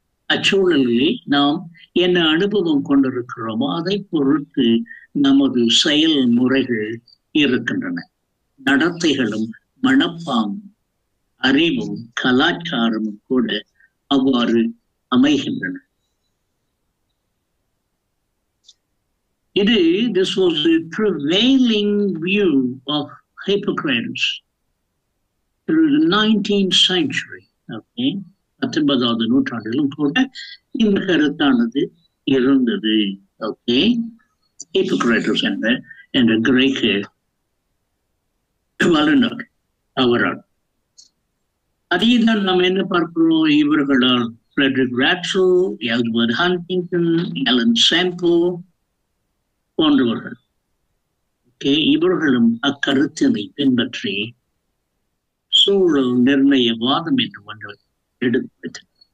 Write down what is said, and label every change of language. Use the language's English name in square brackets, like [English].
[Tamil] அச்சூழலில் நாம் என்ன அனுபவம் கொண்டிருக்கிறோமோ அதை பொறுத்து நமது செயல்முறைகள் இருக்கின்றன. நடத்தைகளும் மனப்பாங்கும் அறிவும் கலாச்சாரமும் கூட அவ்வாறு அமைகின்றன. [English] This was the prevailing view of hypocrites through the 19th century. [Tamil] Okay, பத்தொன்பதாவது நூற்றாண்டிலும் கூட இந்த கருத்தானது இருந்தது. Okay, hypocrites என்ற கிரேக்க வல்லுநர் அவரால். அதே தான் நம்ம என்ன பார்க்கிறோம், இவர்களால் ஃப்ரெட்ரிக் ராட்சோ, எல்பர்ட் ஹண்டிங்டன், எலன் சாம்போ போன்றவர்கள், இவர்களும் அக்கருத்தினை பின்பற்றி சூழல் நிர்ணய வாதம் என்று ஒன்றை எடுத்து வைத்தனர்.